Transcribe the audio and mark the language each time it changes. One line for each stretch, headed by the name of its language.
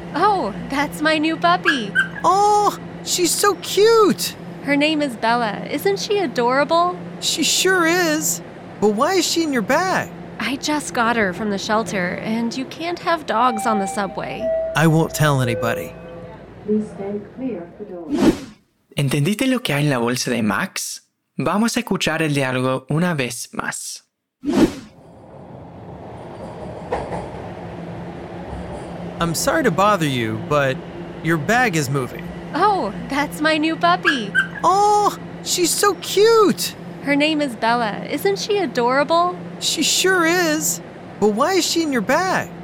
English: Oh, that's my new puppy. Oh, she's so cute. Her name is Bella. Isn't she adorable? She sure is. But why is she in your bag? I just got her from the shelter, and you can't have dogs on the subway. I won't tell anybody.
Spanish: ¿Entendiste lo que hay en la bolsa de Max? Vamos a escuchar el diálogo una vez más.
English: I'm sorry to bother you, but your bag is moving. Oh, that's my new puppy. Oh, she's so cute. Her name is Bella. Isn't she adorable? She sure is. But why is she in your bag?